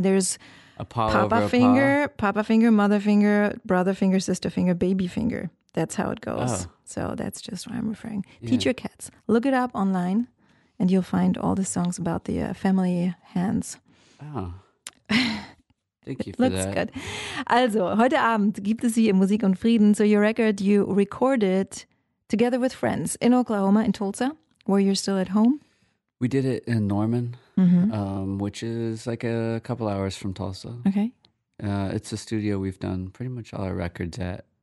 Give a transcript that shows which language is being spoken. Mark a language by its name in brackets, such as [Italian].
[English] There's... Papa finger, mother finger, brother finger, sister finger, baby finger. That's how it goes. Oh. So that's just what I'm referring. Yeah. Teach your cats. Look it up online and you'll find all the songs about the family hands. Oh. Thank you for that. Looks good. [German] Also, heute Abend gibt es sie in Musik und Frieden. [English] So your record, you recorded together with friends in Oklahoma, in Tulsa, where you're still at home. We did it in Norman, which is like a couple hours from Tulsa. Okay. It's a studio we've done pretty much all our records at.